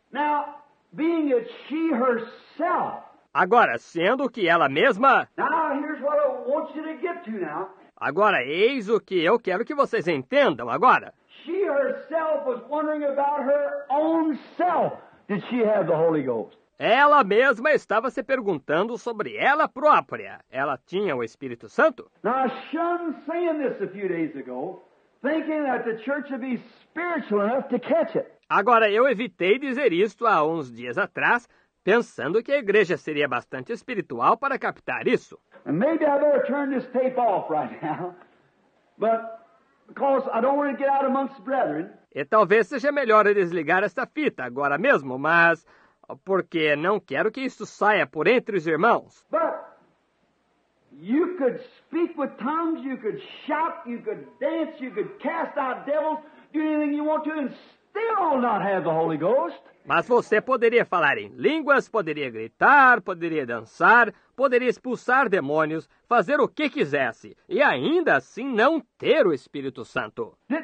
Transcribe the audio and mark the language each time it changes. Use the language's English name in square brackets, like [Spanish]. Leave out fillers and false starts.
[English] Now, being it she herself. [Portuguese] Agora, sendo que ela mesma. [English] Now, here's what I want you to get to now. [Portuguese] Agora, eis o que eu quero que vocês entendam agora. [English] She herself was wondering about her own self. Did she have the Holy Ghost? [Portuguese] Ela mesma estava se perguntando sobre ela própria. Ela tinha o Espírito Santo? [English] Now, I shunned saying this a few days ago, thinking that the church would be spiritual enough to catch it. [Portuguese] Agora, eu evitei dizer isto há uns dias atrás, pensando que a igreja seria bastante espiritual para captar isso. [English] And maybe I better turn this tape off right now, but because I don't want to get out amongst brethren. [Portuguese] E talvez seja melhor eu desligar esta fita agora mesmo, mas porque não quero que isso saia por entre os irmãos. [English] But you could speak with tongues, you could shout, you could dance, you could cast out devils, do anything you want to, and still not have the Holy Ghost. [Portuguese] Mas você poderia falar em línguas, poderia gritar, poderia dançar, poderia expulsar demônios, fazer o que quisesse, e ainda assim não ter o Espírito Santo.